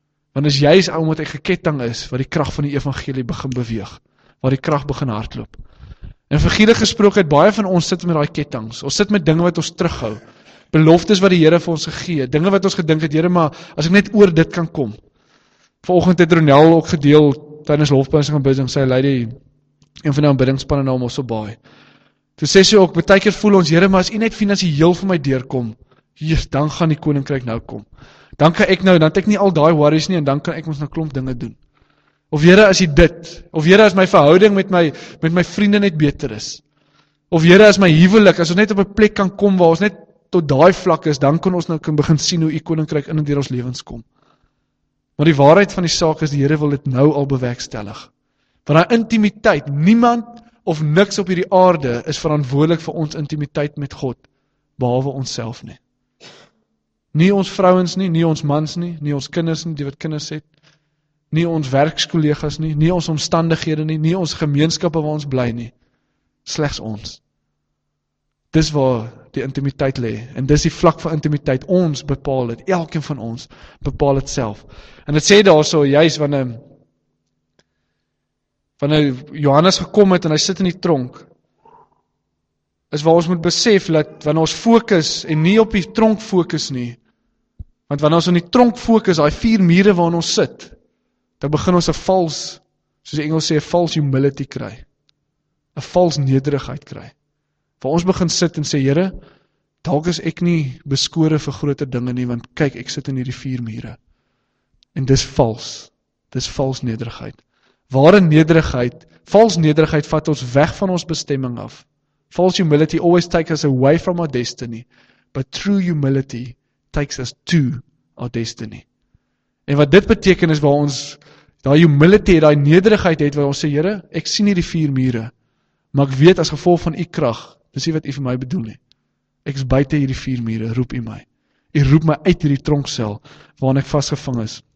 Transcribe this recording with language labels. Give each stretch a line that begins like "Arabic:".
Afrikaans: Want as jy is omdat hy geketting is, waar die krag van die evangelie begin beweeg, waar die krag begin hardloop. En figuurlik gesproke het baie van ons sit met daai kettinge. Ons sit met dinge wat ons terughou. Beloftes wat die Here vir ons gegee het, dinge wat ons gedink het, Here, maar as ek net oor dit kan kom. Vanoggend het Ronel ook gedeel tydens lofprysing en bidding, sy lady, een van die aanbiddingspanne nou mos so baie. Toe sê sy ook, baie keer voel ons, Here, maar as u net finansiëel vir my deurkom, hier, dan gaan die koninkryk nou kom. Dan kan ek nou, dan het ek nie al die worries nie, en dan kan ek ons nou klomp dinge doen. Of Here, as jy dit, of Here, as my verhouding met my vriende net beter is, of Here, as my huwelik, as ons net op 'n plek kan kom, waar ons net tot die vlak is, dan kan ons nou kan begin sien, hoe die koninkryk in en deur ons lewens kom. Maar die waarheid van die saak is, die Here wil dit nou al bewerkstellig. Van die intimiteit, niemand of niks op hierdie aarde, is verantwoordelik vir ons intimiteit met God, behalwe ons self nie. Nie ons vrouens nie, nie ons mans nie, nie ons kinders nie, die wat kinders het. Nie ons werkskollegas nie, nie ons omstandighede nie, nie ons gemeenskappe waar ons bly nie. Slegs ons. Dis waar die intimiteit lê. En dis die vlak van intimiteit. Ons bepaal het. Elkeen van ons bepaal het self. En het sê daar so, juist wanneer Johannes gekom het en hy sit in die tronk, is waar ons moet besef, dat wanneer ons fokus en nie op die tronk fokus nie, want wanneer ons in die tronk fokus, die vier mure waarin ons sit, dan begin ons een vals humility kry. Een vals nederigheid kry. Waar ons begin sit en sê, Here, dalk is ek nie beskore vir groter dinge nie, want kyk, ek sit in hierdie vier mure. En dis vals. Dis vals nederigheid. Ware nederigheid, vals nederigheid vat ons weg van ons bestemming af.
English: False humility always takes us away from our destiny, but true humility takes us to our destiny.
Afrikaans: En wat dit beteken is waar ons daai humility, daai nederigheid het waar ons sê, Here, ek sien hierdie vier mure, maar ek weet as gevolg van u krag, dis nie wat u vir my bedoel nie. Ek is buite hierdie vier mure, roep u my. U roep my uit hierdie tronksel waarin ek vasgevang is.